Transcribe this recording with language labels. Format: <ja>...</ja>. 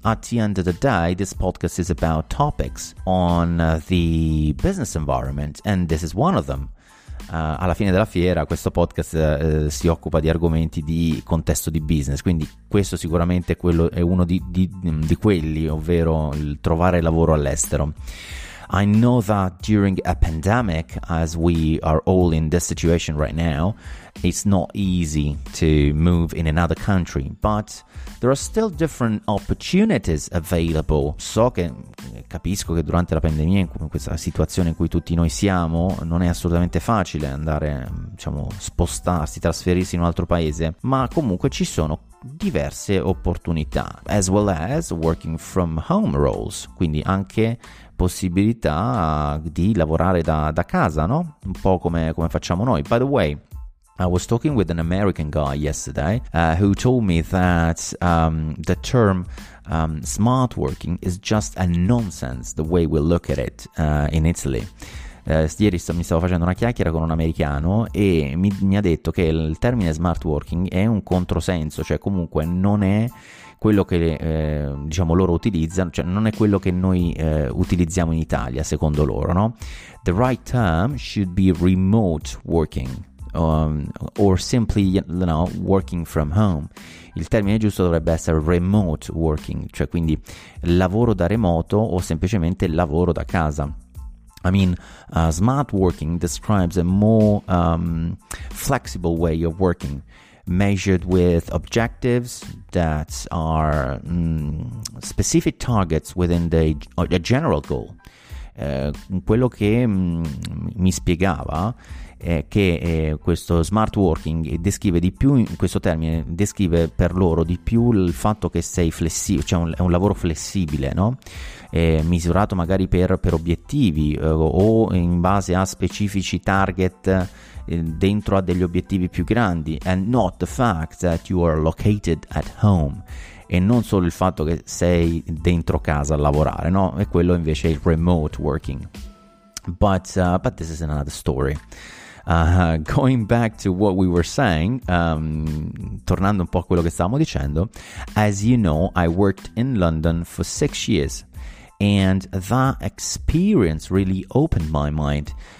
<en>At the end of the day this podcast is about topics on the business environment and this is one of them.</en> <it>Alla fine della fiera questo podcast si occupa di argomenti di contesto di business, quindi questo sicuramente quello è uno di quelli, ovvero il trovare lavoro all'estero.</it> <en>I know that during a pandemic, as we are all in this situation right now, it's not easy to move in another country, but there are still different opportunities available.</en> <it>So che capisco che durante la pandemia, in questa situazione in cui tutti noi siamo, non è assolutamente facile andare, diciamo, spostarsi, trasferirsi in un altro paese, ma comunque ci sono diverse opportunità,</it> <en>as well as working from home roles,</en> <it>quindi anche possibilità di lavorare da casa, no? Un po' come facciamo noi.</it> <en>By the way, I was talking with an American guy yesterday who told me that the term smart working is just a nonsense the way we look at it in Italy.</en> <it>Ieri mi stavo facendo una chiacchiera con un americano e mi ha detto che il termine smart working è un controsenso, cioè comunque non è quello che diciamo loro utilizzano, cioè non è quello che noi utilizziamo in Italia secondo loro, no?</it> <en>The right term should be remote working or simply, you know, working from home.</en> <it>Il termine giusto dovrebbe essere remote working, cioè quindi lavoro da remoto o semplicemente lavoro da casa.</it> <en>I mean, smart working describes a more flexible way of working, measured with objectives that are specific targets within a general goal.</en> <it>Quello che mi spiegava è che questo smart working descrive di più, in questo termine descrive per loro di più il fatto che sei flessibile, cioè è un lavoro flessibile, no? Misurato magari per obiettivi o in base a specifici target dentro a degli obiettivi più grandi,</it> <en>and not the fact that you are located at home,</en> <it>e non solo il fatto che sei dentro casa a lavorare, no? E quello invece è il remote working.</it> <en>But this is another story. Going back to what we were saying,</en> <it>tornando un po' a quello che stavamo dicendo,</it> <en>as you know, I worked in London for 6 years, and that experience really opened my mind.</en>